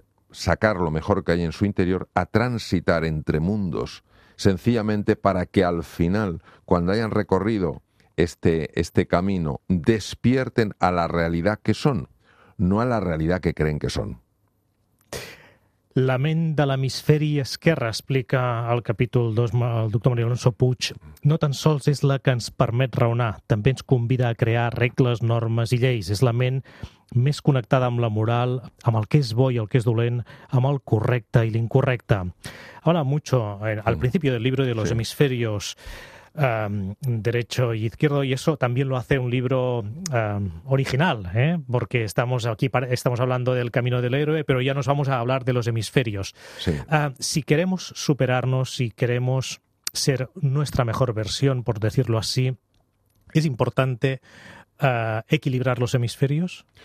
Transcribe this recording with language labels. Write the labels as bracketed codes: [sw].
[es] sacar lo mejor que hay en su interior a transitar entre mundos, sencillamente para que al final, cuando hayan recorrido este camino, despierten a la realidad que son, no a la realidad que creen que son. [ca] La ment de l'hemisferi esquerre, explica el capítol 2 el doctor Maria Alonso Puig, no tan sols és la que ens permet raonar, també ens convida a crear regles, normes i lleis. És la ment més connectada amb la moral, amb el que és bo i el que és dolent, amb el correcte i l'incorrecte. [es] Habla mucho al principio del libro de los hemisferios, derecho y izquierdo, y eso también lo hace un libro original, ¿eh? Porque estamos aquí, estamos hablando del camino del héroe, pero ya nos vamos a hablar de los hemisferios. Si queremos superarnos, si queremos ser nuestra mejor versión, por decirlo así, ¿es importante equilibrar los hemisferios?